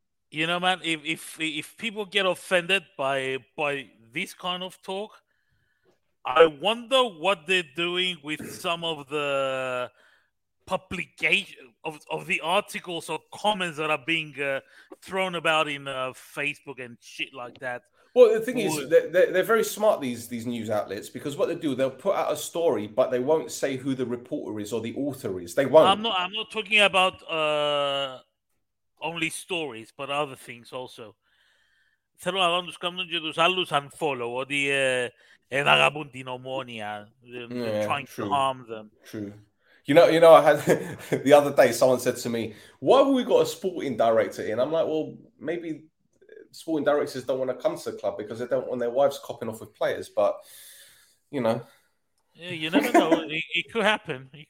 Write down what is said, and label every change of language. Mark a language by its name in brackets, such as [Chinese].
[English] You know, man, if people get offended by this kind of talk, I wonder what they're doing with some of the publication of the articles or comments that are being thrown about in Facebook and shit like that. Well, the thing is, they're very smart, these news outlets, because what they do, they'll put out a story, but they won't say who the reporter is or the author is. They won't. I'm not talking about only stories, but other things also. [Greek] Θέλω να δω τους κάνουν και τους άλλους unfollow, ότι δεν αγαπούν την ομόνια. [English] Trying true. To harm them. True. You know, I had the other day, someone said to me, why have we got a sporting director in? I'm like, well, maybe sporting directors don't want to come to the club because they don't want their wives copping off with players, but, you know. Yeah, you never know. It could happen.